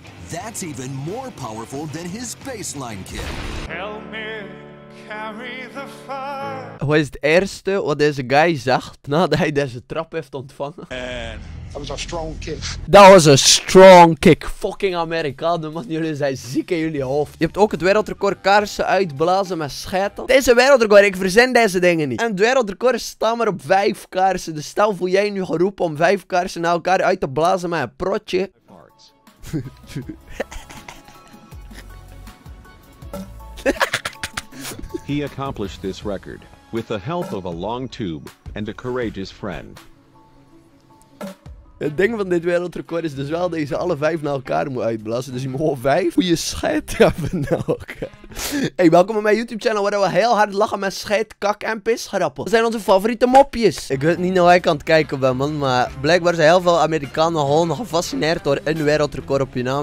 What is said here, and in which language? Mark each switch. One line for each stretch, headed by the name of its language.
English: That's even more powerful than his baseline kick. Help me carry the fire.
Dutch: Wat is het eerste wat deze guy zegt nadat hij deze trap heeft ontvangen?
English: And...
Dutch: Dat was een
English: strong kick.
Dutch: Fucking Amerikanen, man. Jullie zijn ziek in jullie hoofd. Je hebt ook het wereldrecord kaarsen uitblazen met schijten. Deze wereldrecord, ik verzin deze dingen niet. En het wereldrecord staat maar op 5 kaarsen. Dus stel, voel jij nu geroepen om 5 kaarsen naar elkaar uit te blazen met een protje?
English: He accomplished this record with the help of a long tube and a courageous friend.
Dutch: Het ding van dit wereldrecord is dus wel dat je ze alle 5 naar elkaar moet uitblazen. Dus je moet gewoon 5 goede scheid hebben naar elkaar. Hey, welkom op mijn YouTube channel waar we heel hard lachen met scheid, kak en pisgrappen. Dat zijn onze favoriete mopjes. Ik weet niet naar waar ik aan het kijken ben, man. Maar blijkbaar zijn heel veel Amerikanen gewoon gefascineerd door een wereldrecord op je naam.